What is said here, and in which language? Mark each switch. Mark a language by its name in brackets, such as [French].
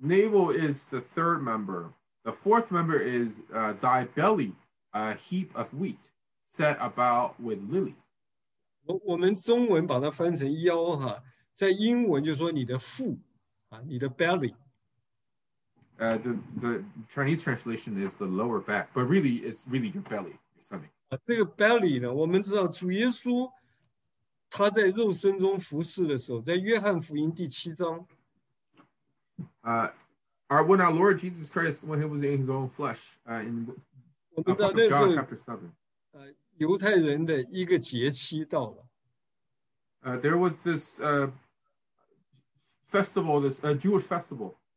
[English] navel is the third member. The fourth member is thy belly. A heap of wheat set about with lilies. [Chinese] 我们中文把它翻成腰，在英文就说你的腹，你的 belly. [English] The Chinese translation is the lower back, but really it's really your belly, your stomach. [Chinese] 这个 belly 呢，我们知道主耶稣他在肉身中服事的时候，在约翰福音第七章。 [English] When our Lord Jesus Christ, when he was in his own flesh, in [Chinese] 我们知道那时候，犹太人的一个节期到了。 [English] There was this festival, this Jewish festival.